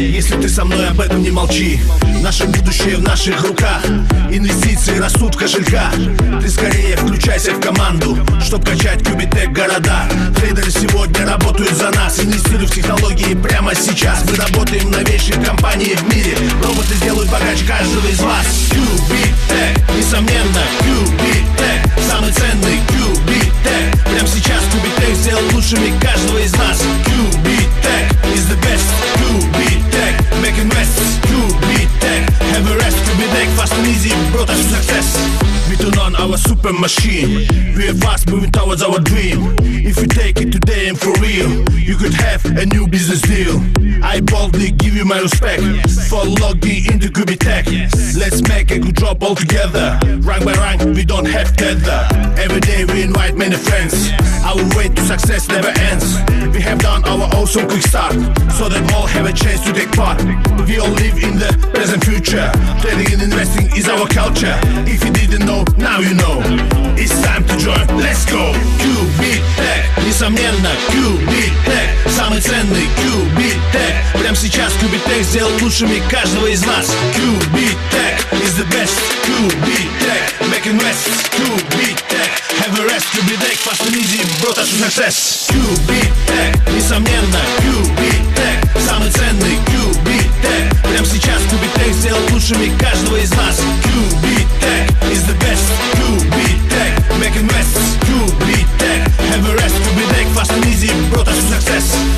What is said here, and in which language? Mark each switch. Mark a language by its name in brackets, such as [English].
[Russian] Если ты со мной, об этом не молчи. Наше будущее в наших руках. Инвестиции растут в кошельках. Ты скорее включайся в команду, чтоб качать QubitTech города. Трейдеры сегодня работают за нас. Инвестируй в технологии прямо сейчас. Мы работаем в новейшей компании в мире. Роботы сделают богаче каждого из вас. QubitTech, несомненно, QubitTech. Самый ценный QubitTech. Прямо сейчас QubitTech сделал лучшими каждого из нас. [English] QubitTech is the best. QubitTech, make investments. QubitTech, have a rest. QubitTech, fast and easy, brought us to success. On our super machine, we are fast moving towards our dream. If you take it today and for real, you could have a new business deal. I boldly give you my respect for logging into QubitTech. Let's make a good job all together. Rank by rank, we don't have tether. Every day we invite many friends. Our way to success never ends. We have done our awesome quick start, so that all have a chance to take part. We all live in the present future. Trading and investing is our culture. If you didn't know, now you know. It's time to join, let's go. [Russian] QubitTech, несомненно, QubitTech. Самый ценный QubitTech. Прямо сейчас QubitTech сделал лучшими каждого из нас. [English] QubitTech is the best. QubitTech, make investments. QubitTech, have a rest. QubitTech, fast and easy, brought us to success. QubitTech, несомненно, QubitTech. [Russian] Самый ценный QubitTech. Прямо сейчас QubitTech сделал лучшими каждого из нас. [English] QubitTech is the best. QubitTech, make investments. QubitTech, have a rest. QubitTech, fast and easy, brought us to success.